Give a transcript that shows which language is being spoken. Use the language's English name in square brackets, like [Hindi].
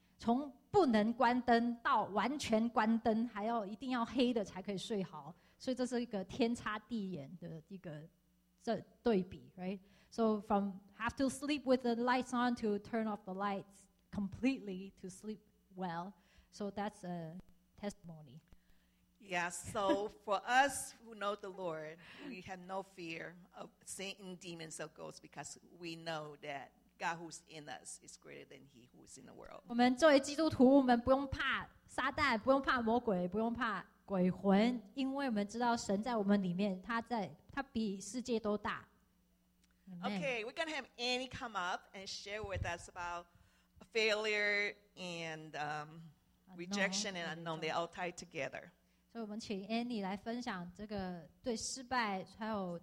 [Chinese] 从不能关灯到完全关灯，还要一定要黑的才可以睡好。所以这是一个天差地远的一个这对比 ，right? [English] So from have to sleep with the lights on to turn off the lights completely to sleep well. So that's a testimony. Yeah. So for us who know the Lord, we have no fear of Satan, demons, or ghosts because we know that God who's in us is greater than he who is in the world. [Chinese] 我们作为基督徒，我们不用怕撒旦，不用怕魔鬼，不用怕鬼魂，因为我们知道神在我们里面，他在，他比世界都大。 [English] Okay, we're going to have Annie come up and share with us about failure and rejection and unknown. They all tie together. So we invite Annie to share this about failure and unknown.